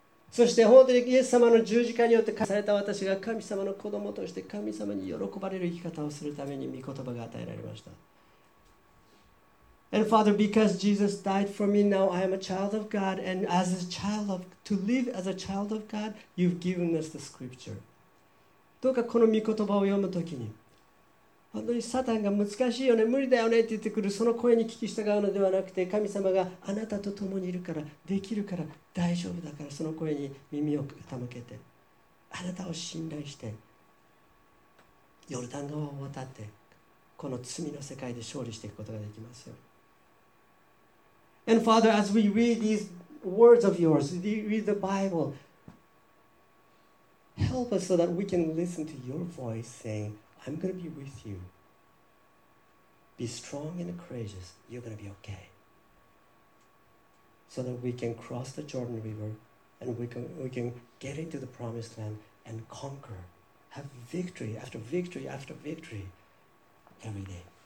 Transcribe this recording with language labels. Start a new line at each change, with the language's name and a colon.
Japanese: そして本当にイエス様の十字架によって化された私が神様の子供として神様に喜ばれる生き方をするために御言葉が与えられました。
English: And Father, because Jesus died for me, now I am a child of God. And as a child of, to live as a child of God, you've given us the scripture.
Japanese: どうかこの御言葉を読むときに、本当にサタンが難しいよね、無理だよねって言ってくるその声に聞き従うのではなくて、神様があなたと共にいるから、できるから、大丈夫だから、その声に耳を傾けて、あなたを信頼して、ヨルダン川を渡って、この罪の世界で勝利していくことができますよ。
English: And Father, as we read these words of yours, we read the Bible, help us so that we can listen to your voice saying, I'm going to be with you. Be strong and courageous. You're going to be okay. So that we can cross the Jordan River and we can get into the promised land and conquer, have victory after victory after victory every day.